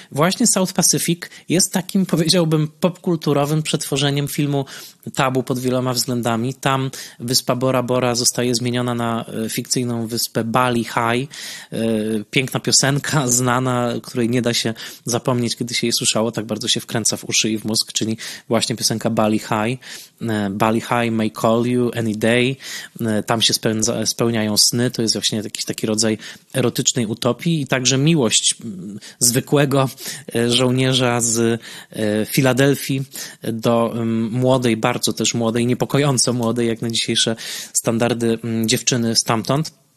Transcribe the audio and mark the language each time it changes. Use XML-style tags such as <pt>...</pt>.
<pl>Właśnie South Pacific jest takim, powiedziałbym, popkulturowym przetworzeniem filmu Tabu pod wieloma względami. Tam wyspa Bora Bora zostaje zmieniona na fikcyjną wyspę Bali High. Piękna piosenka, znana, której nie da się zapomnieć, kiedy się jej słyszało, tak bardzo się wkręca w uszy i w mózg, czyli właśnie piosenka Bali High.</pl> <en>Bali High may call you any day.</en> <pl>Tam się spełniają sny. To jest właśnie jakiś taki rodzaj erotycznej utopii i także miłość zwykłego żołnierza z Filadelfii do młodej, bardzo też młodej, niepokojąco młodej, jak na dzisiejsze standardy, dziewczyny stamtąd.</pl>